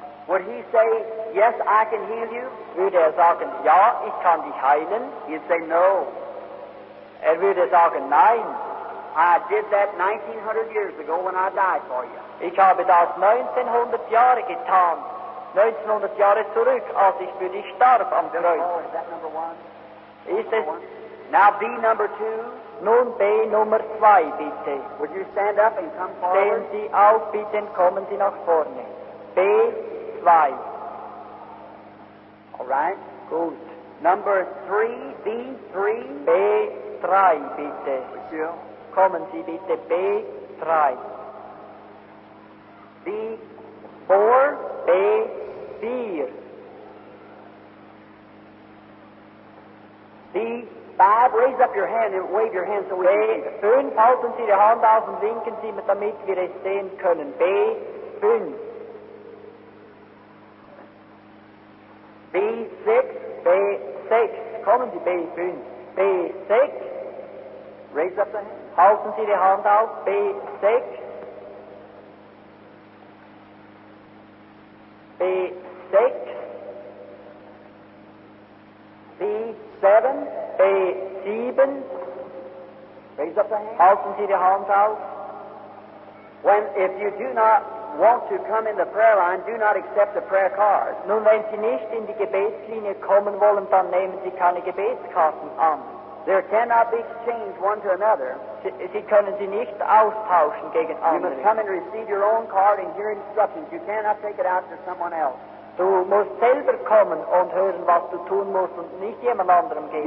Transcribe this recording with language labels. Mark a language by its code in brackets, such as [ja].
[en] Would he say, yes, I can heal you? [de] Würde er sagen, ja, ich kann dich heilen? [en] He'd say, no. [de] Er würde sagen, nein. [en] I did that 1900 years ago when I died for you. [de] Ich habe das 1900 Jahre getan. 1900 Jahre zurück, als ich für dich starb am Kreuz. [en] Oh, is that number one? [de] Ist es? [en] Now B number two. [de] Nun B Nummer zwei, bitte. [en] Would you stand up and come forward? [de] Stehen Sie auf, bitte, und kommen Sie nach vorne. B zwei. [en] All right. [de] Gut. [en] Number three, B three. [de] B drei, bitte. [fr] Monsieur. [de] Kommen Sie bitte, B drei. [en] B four. [de] B. Vier. [en] B. Five. Raise up your hand and wave your hand so we can see. [de] B. Fünf. Halten Sie die Hand auf und winken Sie, damit wir es sehen können. B. Fünf. [en] B. Six. [de] B. Sechs. Kommen Sie, B. Fünf. B. Sechs. [en] Raise up the hand. [de] Halten Sie die Hand auf. B. Sechs. [en] B6, B7, B7, raise up the hand. [de] Halten Sie die Hand auf. [en] When, if you do not want to come in the prayer line, do not accept the prayer card. [de] Nun, wenn Sie nicht in die Gebetslinie kommen wollen, dann nehmen Sie keine Gebetskarten an. [en] There cannot be exchanged one to another. [de] Sie können sie nicht austauschen gegen andere. [en] You must come and receive your own card and hear instructions. You cannot take it out to someone else. [de] Du musst selber kommen und hören, was du tun musst und nicht jemand anderem geben.